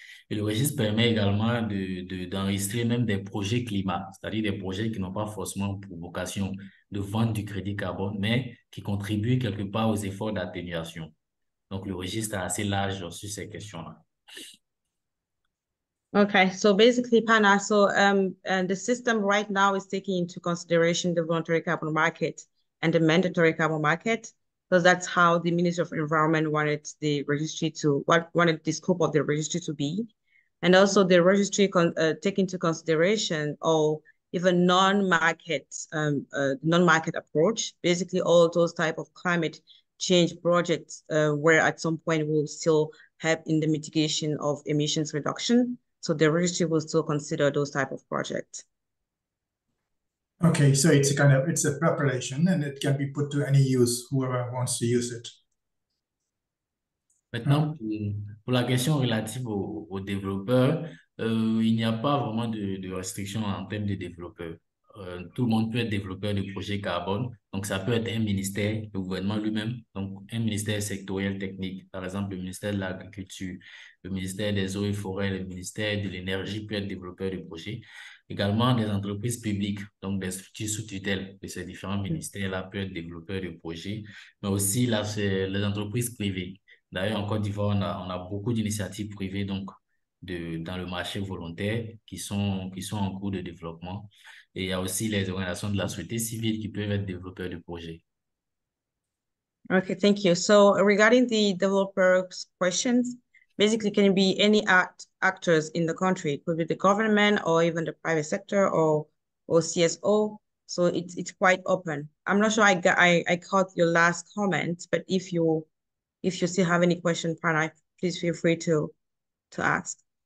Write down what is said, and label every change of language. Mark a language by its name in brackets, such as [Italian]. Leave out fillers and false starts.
[French] Et le registre permet également d'enregistrer même des projets climat, c'est-à-dire des projets qui n'ont pas forcément pour vocation de vendre du crédit carbone, mais qui contribuent quelque part aux efforts d'atténuation. Donc, le registre est assez large sur ces questions-là. [English] Okay, so basically, Pana, so and the system right now is taking into consideration the voluntary carbon market and the mandatory carbon market, because that's how the Ministry of Environment wanted the registry to, wanted the scope of the registry to be. And also the registry take into consideration all even non-market, non-market approach, basically all those type of climate change projects where at some point will still help in the mitigation of emissions reduction. So the registry will still consider those type of projects. Okay, so it's a kind of, it's a preparation and it can be put to any use, whoever wants to use it. [French] Maintenant, pour la question relative aux développeurs, il n'y a pas vraiment de restrictions en termes de développeurs. Tout le monde peut être développeur de projets carbone. Donc, ça peut être un ministère, le gouvernement lui-même, donc un ministère sectoriel technique. Par exemple, le ministère de l'Agriculture, le ministère des Eaux et Forêts, le ministère de l'Énergie peut être développeur de projets. Également, des entreprises publiques, donc des structures sous tutelle de ces différents ministères-là peuvent être développeurs de projets. Mais aussi, là, c'est les entreprises privées. D'ailleurs, en Côte d'Ivoire, on a beaucoup d'initiatives privées donc, dans le marché volontaire qui sont en cours de développement. Et il y a aussi les organisations de la société civile qui peuvent être développeurs de projets. [English] OK, thank you. So regarding the developers' questions, basically can it be any actors in the country? It could be the government or even the private sector or CSO. So it's quite open. I'm not sure I caught your last comment, but if you still have any question, Prana, please feel free to ask.